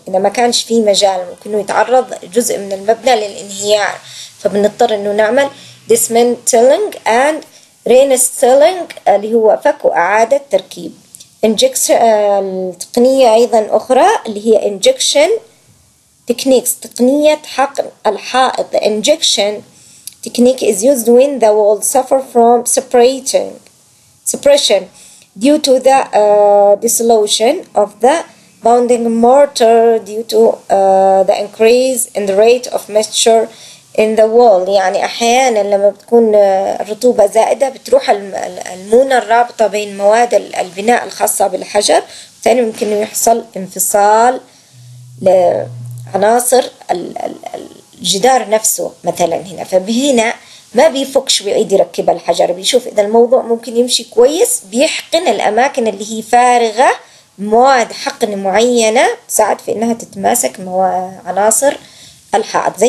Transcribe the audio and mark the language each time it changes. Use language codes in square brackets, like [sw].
[ar] إذا ما كانش في مجال ممكن يتعرض جزء من المبنى للانهيار، فبنضطر إنه نعمل [en] dismantling and reinstalling [ar] اللي هو فك وإعادة تركيب. التقنية أيضا أخرى اللي هي [en] injection techniques، [ar] تقنية حقن الحائط. [en] Injection technique is used when the wall suffer from suppression due to the dissolution of the bonding mortar due to the increase in the rate of moisture in the wall. [ar] يعني أحيانا لما بتكون الرطوبة زائدة بتروح المونة الرابطة بين مواد البناء الخاصة بالحجر، ثاني ممكن يحصل انفصال لعناصر الجدار نفسه مثلا هنا، فبهنا ما بيفكش بيعيد يركب الحجر، بيشوف إذا الموضوع ممكن يمشي كويس بيحقن الأماكن اللي هي فارغة مواد حقن معينة تساعد في إنها تتماسك عناصر الحائط.